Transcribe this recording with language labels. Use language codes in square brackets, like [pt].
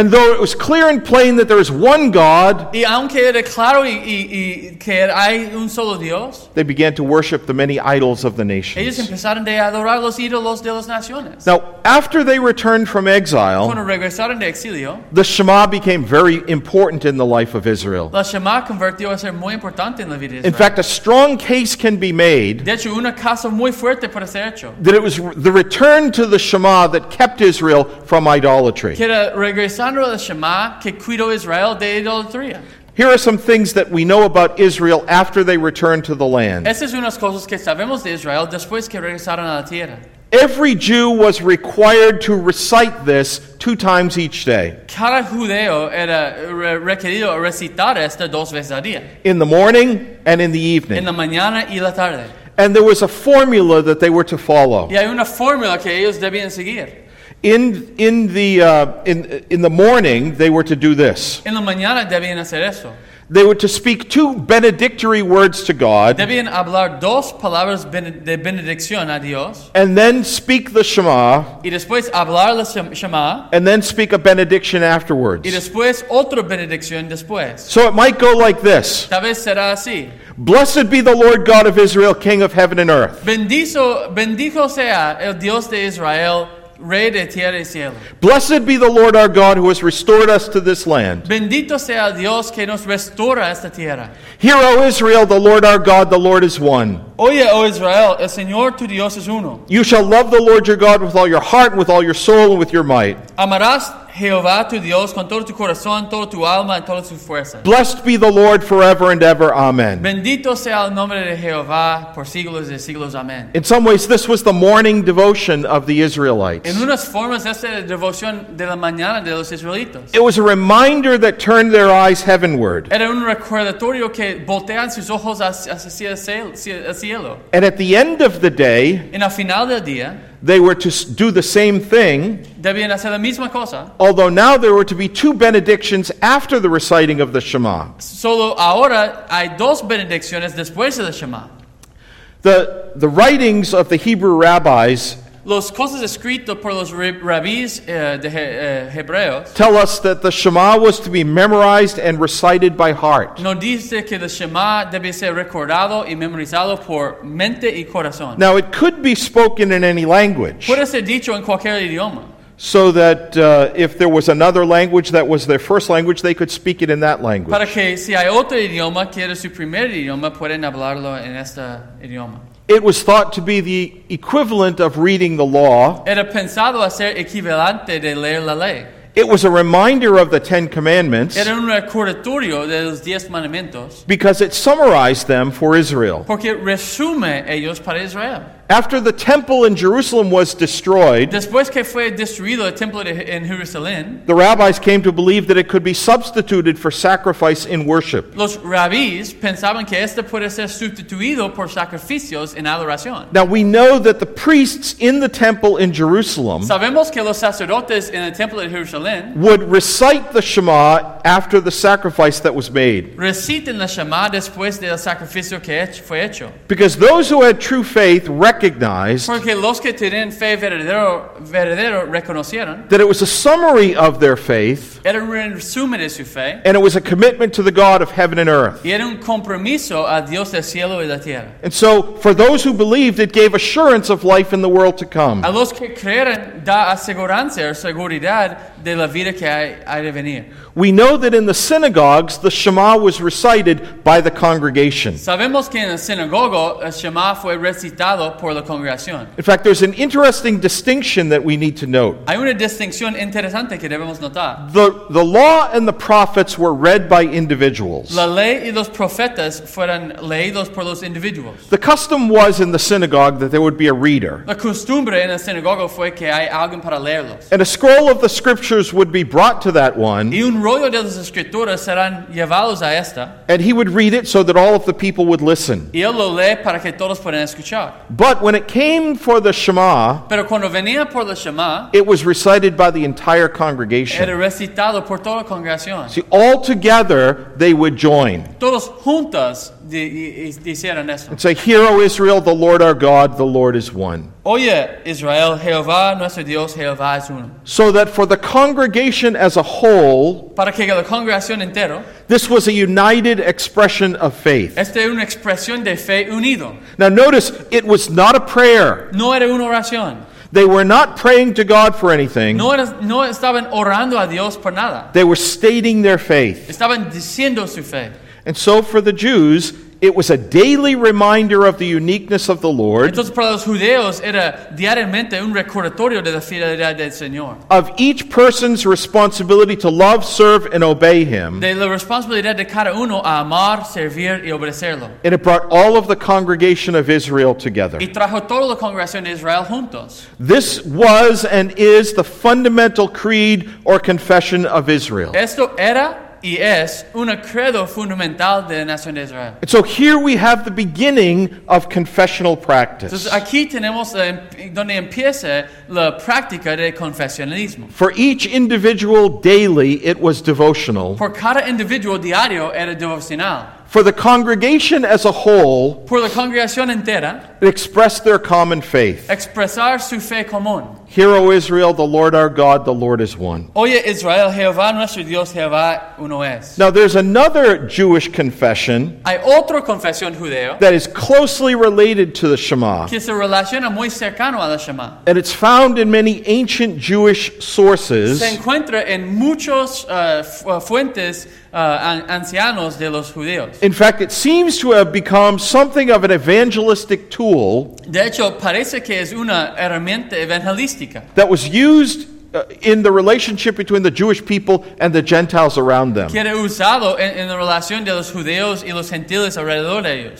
[en] And though it was clear and plain that there is one God, [es] y aunque era claro y que hay un solo Dios, [en] they began to worship the many idols of the nations. [es] Ellos empezaron de adorar los ídolos de las naciones. [en] Now, after they returned from exile, [es] cuando regresaron de exilio, [en] the Shema became very important in the life of Israel. [es] La Shema convirtió a ser muy importante en la vida de Israel. [en] In fact, a strong case can be made, [es] de hecho, una caso muy fuerte puede ser hecho, [en] that it was the return to the Shema that kept Israel from idolatry. [es] Que era regresando a la Shema que cuidó Israel de idolatría. [en] Here are some things that we know about Israel after they returned to the land. [es] Estas unas cosas que sabemos de Israel después que regresaron a la tierra. [en] Every Jew was required to recite this 2 times each day. [es] Cada judío era requerido recitar esta 2 veces al día. [en] In the morning and in the evening. [es] En la mañana y la tarde. [en] And there was a formula that they were to follow. [es] Y hay una fórmula que ellos debían seguir. [en] In the morning, they were to do this. [es] En la mañana debían hacer eso. [en] They were to speak 2 benedictory words to God. [es] Debían hablar 2 palabras de bendición a Dios. [en] And then speak the Shema. [es] Y después hablar la Shema. [en] And then speak a benediction afterwards. [es] Y después otra bendición después. [en] So it might go like this. [es] Tal vez será así. [en] Blessed be the Lord God of Israel, King of heaven and earth. [es] Bendito sea el Dios de Israel, Rey de tierra y cielo. [en] Blessed be the Lord our God who has restored us to this land. [es] Bendito sea Dios que nos restaura esta tierra. [en] Hear, O Israel, the Lord our God, the Lord is one. [es] Oye, O Israel, el Señor tu Dios es uno. [en] You shall love the Lord your God with all your heart, with all your soul, and with your might. [es] Amarás Jehová tu Dios con todo tu corazón, toda tu alma, y toda tu fuerza. [en] Blessed be the Lord forever and ever. Amen. [es] Bendito sea el nombre de Jehová por siglos y siglos. [en] Amen. In some ways, this was the morning devotion of the Israelites. [es] En unas formas, esta era la devoción de la mañana de los israelitos. [en] It was a reminder that turned their eyes heavenward. [es] Era un recordatorio que voltean sus ojos hacia el cielo. [en] And at the end of the day, [es] en el final del día, [en] they were to do the same thing. [es] Debían hacer la misma cosa. [en] Although now there were to be 2 benedictions after the reciting of the Shema. [es] Solo ahora hay 2 benedicciones después de la Shema. [en] The writings of the Hebrew rabbis, [es] los cosas escritos por los rabis hebreos, [en] tell us that the Shema was to be memorized and recited by heart. [es] No dice que el Shema debe ser recordado y memorizado por mente y corazón. [en] Now it could be spoken in any language. [es] Puede ser dicho en cualquier idioma. [en] So that if there was another language that was their first language, they could speak it in that language. [es] Para que si hay otro idioma que era su primer idioma, pueden hablarlo en este idioma. [en] It was thought to be the equivalent of reading the law. [es] Era pensado a ser equivalente de leer la ley. [en] It was a reminder of the 10 Commandments. [es] Era un recordatorio de los 10 mandamientos. [en] Because it summarized them for Israel. [es] Porque resume ellos para Israel. [en] After the temple in Jerusalem was destroyed, [es] después que fue destruido el templo en Jerusalén, [en] the rabbis came to believe that it could be substituted for sacrifice in worship. [es] Los rabbis pensaban que este puede ser sustituido por sacrificios en adoración. [en] Now we know that the priests in the temple in Jerusalem, [es] sabemos que los sacerdotes en el templo de Jerusalén, [en] would recite the Shema after the sacrifice that was made. [es] Reciten la Shema después del sacrificio que fue hecho. [en] Because those who had true faith recognized, [es] porque los que tenían fe verdadero reconocieron, [en] that it was a summary of their faith, [es] Era un resumen de su fe. [en] And it was a commitment to the God of heaven and earth. [es] Y era un compromiso a Dios del cielo y la tierra. [en] And so, for those who believed, it gave assurance of life in the world to come. [es] A los que creeran, da aseguranza, seguridad de la vida que hay de venir. [en] We know that in the synagogues, the Shema was recited by the congregation. [es] Sabemos que en la sinagoga, el Shema fue recitado por la congregación. [en] In fact, there's an interesting distinction that we need to note. [es] Hay una distinción interesante que debemos notar. [en] The law and the prophets were read by individuals. [es] La ley y los profetas fueron leídos por los individuos. [en] The custom was in the synagogue that there would be a reader. [es] La costumbre en la sinagoga fue que hay alguien para leerlos. [en] And a scroll of the scriptures would be brought to that one. [es] Y un rollo de las escrituras serán llevados a esta. [en] And he would read it so that all of the people would listen. [es] Y él lo lee para que todos puedan escuchar. [en] But when it came for the Shema, [es] pero cuando venía por la Shema, [en] it was recited by the entire congregation. [es] Era recitado por toda la congregación. [en] See, all together they would join. [es] Todos juntos dijeron eso. [en] And say, "Hear, O Israel, the Lord our God, the Lord is one." [es] Oye, Israel, Jehová, nuestro Dios, Jehová es uno. [en] So that for the congregation as a whole, [es] para que la congregación entero, [en] this was a united expression of faith. [es] Esta es una expresión de fe unido. [en] Now notice, it was not a prayer. [es] No era una oración. [en] They were not praying to God for anything. [es] No estaban orando a Dios por nada. [en] They were stating their faith. [es] Estaban diciendo su fe. [en] And so for the Jews, it was a daily reminder of the uniqueness of the Lord. [es] Entonces, para los judeos, era diariamente un recordatorio de la fidelidad del Señor. [en] Of each person's responsibility to love, serve, and obey Him. [es] De la responsabilidad de cada uno a amar, servir y obedecerlo. [en] And it brought all of the congregation of Israel together. [es] Y trajo toda la congregación de Israel juntos. [en] This was and is the fundamental creed or confession of Israel. [es] Esto era y es una credo fundamental de la nación de Israel. [en] And so here we have the beginning of confessional practice. [es] Entonces aquí tenemos donde empieza la práctica de confesionalismo. [en] For each individual daily, it was devotional. [es] Por cada individuo diario era devocional. [en] For the congregation as a whole, [es] por la congregación entera, [en] it expressed their common faith. [es] Expresar su fe común. [en] Hear, O Israel, the Lord our God, the Lord is one. [es] Oye, Israel, Jehová nuestro Dios, Jehová uno es. [en] Now there's another Jewish confession. [es] Hay otra confesión judeo [en] that is closely related to the Shema. [es] Que se relaciona muy cercano a la Shema. [en] And it's found in many ancient Jewish sources. [es] Se encuentra en muchos fuentes ancianos de los judíos. [en] In fact, it seems to have become something of an evangelistic tool. [es] De hecho, parece que es una herramienta evangelista. [en] That was used in the relationship between the Jewish people and the Gentiles around them. [es] Que era usado en la relación de los judeos y los gentiles alrededor de ellos.